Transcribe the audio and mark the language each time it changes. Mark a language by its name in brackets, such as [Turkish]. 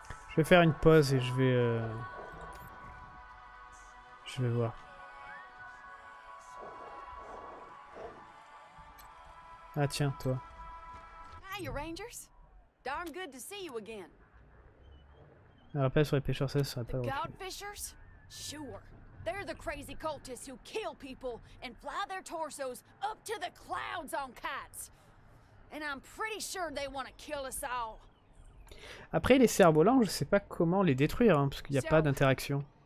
[French] Je vais faire une pause et je vais voir. Ah tiens, toi. [English] Hi, Rangers. Darn good to see you again. [French] Un rappel sur les pêcheurs, ça serait pas drôle. [English] The Godfishers? Sure. They're the crazy cultists who kill people and fly their torsos up to the clouds on kites. And I'm pretty sure they want to kill us all. [French] Après, les cerfs-volants, je sais pas comment les détruire, hein, parce qu'il n'y a pas d'interaction.